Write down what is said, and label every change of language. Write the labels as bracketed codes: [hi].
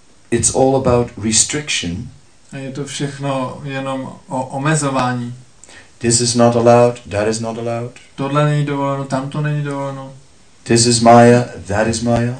[en] It's all about restriction. [cs] A je to všechno jenom o omezování. [en] This is not allowed, that is not allowed. [cs] Tohle není dovoleno, tamto není dovoleno. [en] This is Maya, that is Maya.